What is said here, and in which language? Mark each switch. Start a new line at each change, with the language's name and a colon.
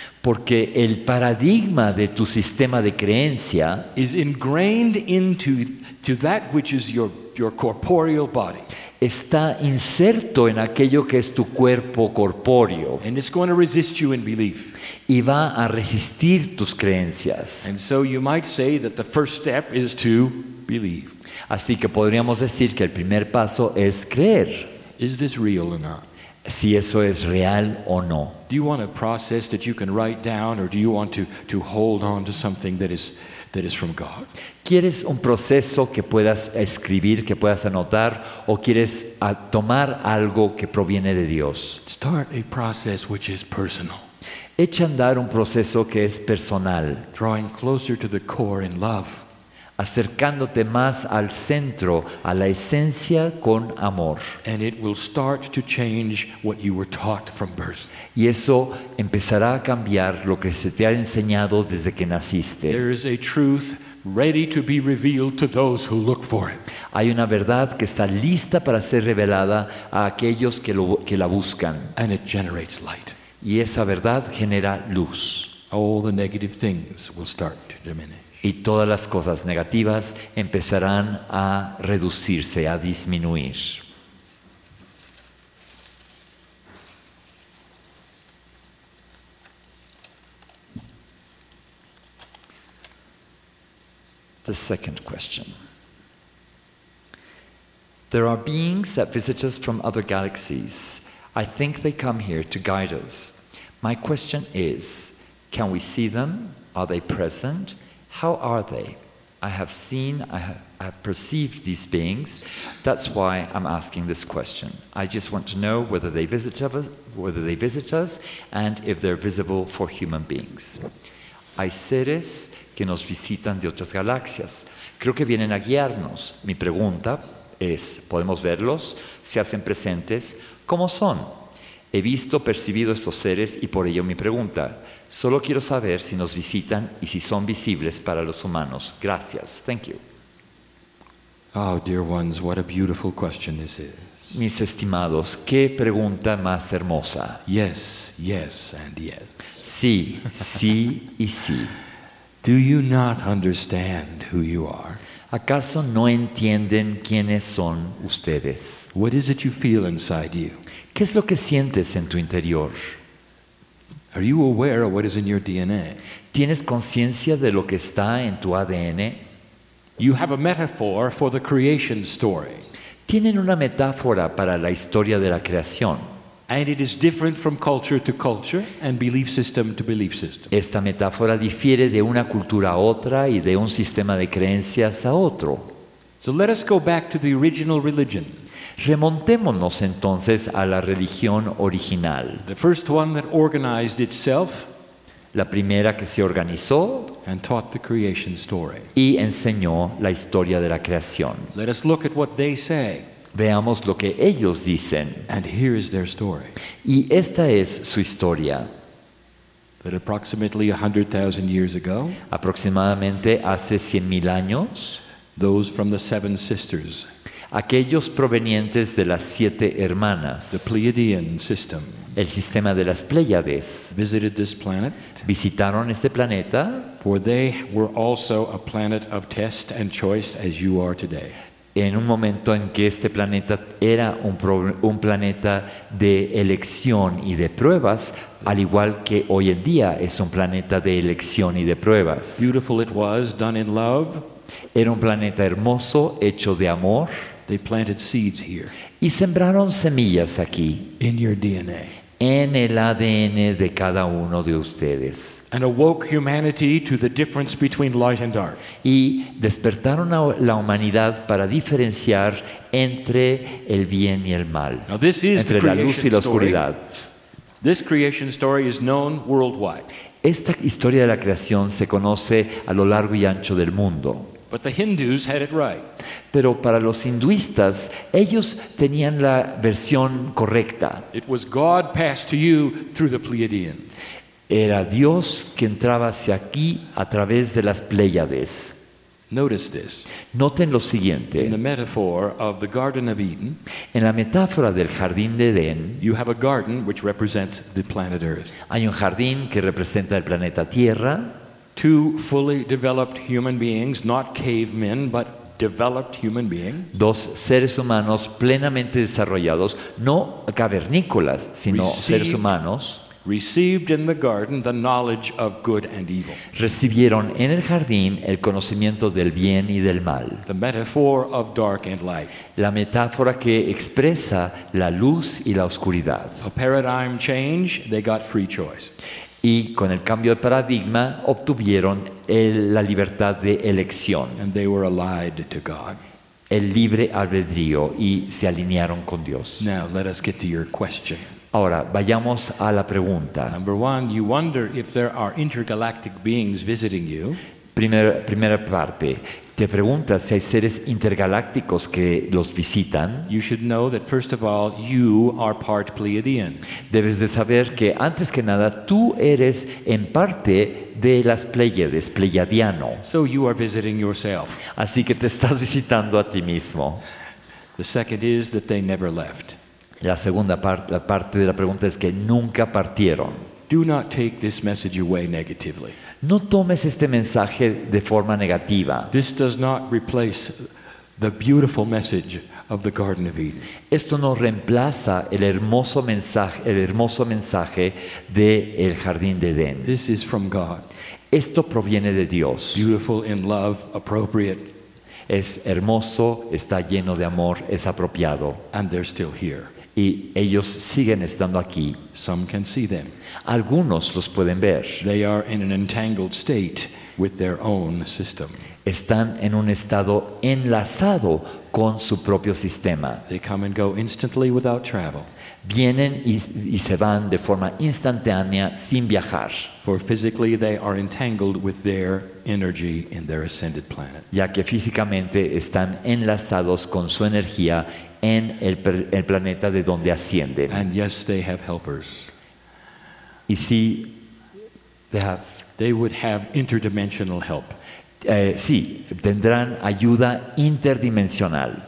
Spanish: porque el paradigma de tu sistema de creencia
English: is ingrained into that which is your corporeal body.
Spanish: Está inserto en aquello que es tu cuerpo corpóreo.
English: And it's going to resist you in belief.
Spanish: Y va a resistir tus creencias.
English: And so you might say that the first step is to believe.
Spanish: Así que podríamos decir que el primer paso es creer.
English: Is this real or not?
Spanish: Si eso es real o no.
English: Do you want a process that you can write down, or do you want to hold on to something that is from God?
Spanish: ¿Quieres un proceso que puedas escribir, que puedas anotar, o quieres tomar algo que proviene de Dios?
English: Start a process which is personal.
Spanish: Echa a andar un proceso que es personal.
English: Drawing closer to the core in love.
Spanish: Acercándote más al centro, a la esencia con amor.
English: And it will start to change what you were taught from birth.
Spanish: Y eso empezará a cambiar lo que se te ha enseñado desde que naciste.
English: There is a truth ready to be revealed to those who look for it.
Spanish: Hay una verdad que está lista para ser revelada a aquellos que la buscan.
English: And it generates light.
Spanish: Y esa verdad genera luz.
English: all the negative things will start to diminish.
Spanish: Y todas las cosas negativas empezarán a reducirse, a disminuir.
English: The second question. There are beings that visit us from other galaxies. I think they come here to guide us. My question is, can we see them? Are they present? How are they? I have perceived these beings. That's why I'm asking this question. I just want to know whether they visit us, and if they're visible for human beings.
Spanish: Hay seres que nos visitan de otras galaxias. Creo que vienen a guiarnos. Mi pregunta es, ¿podemos verlos? ¿Se hacen presentes? ¿Cómo son? He visto, percibido estos seres y por ello mi pregunta. Solo quiero saber si nos visitan y si son visibles para los humanos. Gracias.
English: Thank you. Oh, dear ones, what a beautiful question this is.
Spanish: Mis estimados, qué pregunta más hermosa.
English: Yes, yes, and yes.
Spanish: Sí, sí y sí.
English: Do you not understand who you are?
Spanish: ¿Acaso no entienden quiénes son ustedes?
English: What is it you feel inside you?
Spanish: ¿Qué es lo que sientes en tu interior?
English: Are you aware of what is in your DNA?
Spanish: ¿Tienes conciencia de lo que está en tu ADN?
English: You have a metaphor for the creation story.
Spanish: Tienen una metáfora para la historia de la creación.
English: And it is different from culture to culture and belief system to belief system.
Spanish: Esta metáfora difiere de una cultura a otra y de un sistema de creencias a otro.
English: So let us go back to the original religion.
Spanish: Remontémonos entonces a la religión original.
English: The first one that organized itself.
Spanish: La primera que se organizó.
English: And taught the creation story.
Spanish: Y enseñó la historia de la creación.
English: Let us look at what they say.
Spanish: Veamos lo que ellos dicen.
English: And here is their story.
Spanish: Y esta es su historia.
English: But approximately 100,000 years ago,
Spanish: aproximadamente hace 100,000 años,
English: those from the seven sisters,
Spanish: aquellos provenientes de las siete hermanas,
English: the Pleiadian system,
Spanish: el sistema de las Pléyades,
English: visited this planet,
Spanish: visitaron este planeta,
English: for they were also a planet of test and choice as you are today.
Spanish: En un momento en que este planeta era un planeta de elección y de pruebas, al igual que hoy en día es un planeta de elección y de pruebas.
English: Beautiful it was, done in love.
Spanish: Era un planeta hermoso, hecho de amor.
English: They planted seeds here.
Spanish: Y sembraron semillas aquí.
English: In your DNA.
Spanish: En el ADN de cada uno de ustedes.
English: And awoke humanity to the difference between light and dark.
Spanish: Y despertaron a la humanidad para diferenciar entre el bien y el mal,
English: now, this is
Spanish: entre
English: the
Spanish: la luz y la oscuridad.
English: This creation story is known worldwide.
Spanish: Esta historia de la creación se conoce a lo largo y ancho del mundo.
English: But the Hindus had it right.
Spanish: Pero para los hinduistas, ellos tenían la versión correcta.
English: It was God passed to you through the Pleiadian.
Spanish: Era Dios que entraba hacia aquí a través de las Pléyades.
English: Notice this.
Spanish: Noten lo siguiente.
English: In the metaphor of the Garden of Eden,
Spanish: en la metáfora del jardín de Edén,
English: you have a garden which represents the planet Earth.
Spanish: Hay un jardín que representa el planeta Tierra.
English: Two fully developed human beings, not cavemen, but developed human beings.
Spanish: Dos seres humanos plenamente desarrollados, no cavernícolas, sino seres humanos.
English: Received in the garden the knowledge of good and evil.
Spanish: Recibieron en el jardín el conocimiento del bien y del mal.
English: The metaphor of dark and light.
Spanish: La metáfora que expresa la luz y la oscuridad.
English: A paradigm change, they got free choice.
Spanish: Y con el cambio de paradigma obtuvieron la libertad de elección.
English: And they were allied to God.
Spanish: El libre albedrío y se alinearon con Dios.
English: Now, let us get to your question.
Spanish: Ahora, vayamos a la pregunta.
English: Number one, you wonder if there are intergalactic beings visiting you.
Spanish: Primera parte, te preguntas si hay seres intergalácticos que los visitan.
English: You should know that first of all, you are part Pleiadian.
Spanish: Debes de saber que antes que nada tú eres en parte de las Pléyades, pleiadiano.
English: So you are visiting yourself.
Spanish: Así que te estás visitando a ti mismo.
English: The second is that they never left.
Spanish: La segunda parte de la pregunta es que nunca partieron.
English: Do not take this message away negatively.
Spanish: No tomes este mensaje de forma negativa.
English: This does not replace the beautiful message of the Garden of Eden.
Spanish: Esto no reemplaza el hermoso mensaje del Jardín de Edén.
English: This is from God.
Spanish: Esto proviene de Dios.
English: Beautiful in love, appropriate.
Spanish: Es hermoso, está lleno de amor, es apropiado.
English: And they're still here.
Spanish: Y ellos siguen estando aquí.
English: Some can see them.
Spanish: Algunos los pueden ver.
English: They are in an entangled state with their own system.
Spanish: Están en un estado enlazado con su propio sistema.
English: They come and go instantly without travel.
Spanish: Vienen y se van de forma instantánea sin viajar.
English: For physically they are entangled with their energy in their ascended planet.
Spanish: Ya que físicamente están enlazados con su energía en el planeta de donde ascienden.
English: And yes, they have helpers.
Spanish: Y sí,
English: they would have interdimensional help.
Spanish: Sí, tendrán ayuda interdimensional.